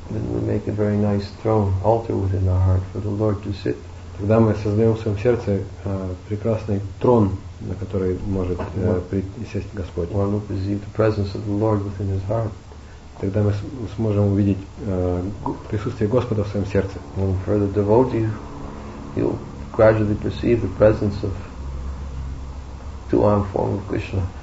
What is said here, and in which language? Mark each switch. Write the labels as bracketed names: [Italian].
[English] then we make a very nice throne altar within our heart for the Lord to sit. [Russian] Тогда мы создаем в своем сердце прекрасный трон, на который может сесть Господь. [English] One will perceive the presence of the Lord within his heart. [Russian] Тогда мы сможем увидеть присутствие Господа в своем сердце. [English] And for the devotee, he'll gradually perceive the presence of two-armed form of Krishna.